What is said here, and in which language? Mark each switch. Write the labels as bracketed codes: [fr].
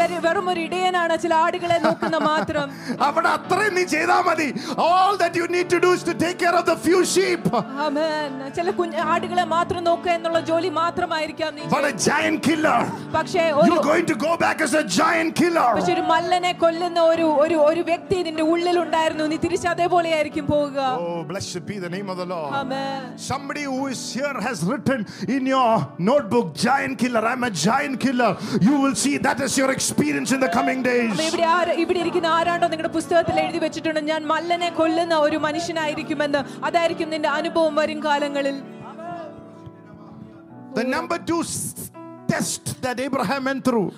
[ml] വെറും ഒരു ഇടയനാണ് ചില ആടുകളെ നോക്കുന്ന മാത്രം. അവിടെ അത്രയും നീ ചെയ്താൽ മതി. [en] All that you need to do is to take care of the few sheep. Amen. [ml] ചില ആടുകളെ മാത്രം നോക്കുക എന്നുള്ള ജോലി മാത്രമായിരിക്കാം നീ. [en] What a giant killer. [ml] പക്ഷേ [en] you are going to go back as a giant killer. [ml] പക്ഷേ ഒരു മല്ലനെ കൊല്ലുന്ന ഒരു ഒരു ഒരു വ്യക്തി നിന്റെ ഉള്ളിൽ ഉണ്ടായിരുന്നു. നീ തിരിച്ചു അതേപോലെ ആയിരിക്കും പോവുക. [en] Oh, blessed be the name of the Lord. Amen. Somebody who is here has written in your notebook, giant killer. I'm a giant killer. You will see that as your experience in the coming days. [ml] ഇവിടെ ഇവിടെ ഇരിക്കുന്ന ആരാണോ നിങ്ങളുടെ പുസ്തകത്തിൽ എഴുതി വെച്ചിട്ടുണ്ട് ഞാൻ മല്ലനെ കൊല്ലുന്ന ഒരു മനുഷ്യനായിരിക്കും എന്ന്, അതായിരിക്കും നിന്റെ അനുഭവം വരും കാലങ്ങളിൽ. [en] The number two test that Abraham went through.